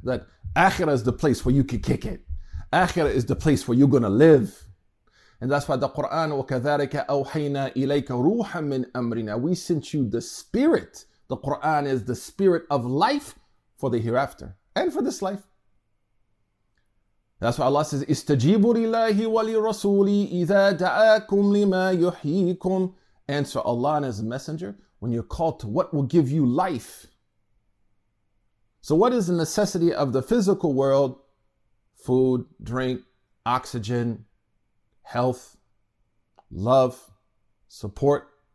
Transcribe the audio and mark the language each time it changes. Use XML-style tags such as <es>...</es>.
<en>That Akhirah is the place where you can kick it. Akhirah is the place where you're going to live. And that's why the Quran,</en> <ar>وَكَذَلِكَ أَوْحَيْنَا إِلَيْكَ رُوحًا مِّنْ أَمْرِنَا.</ar> <en>We sent you the spirit. The Quran is the spirit of life for the hereafter and for this life. That's why Allah says,</en> <ar>استجيبوا لله ولرسولي إذا دعاكم لما يحييكم.</ar> <en>Answer Allah and His Messenger when you're called to what will give you life. So what is the necessity of the physical world? Food, drink, oxygen, health, love, support.</en>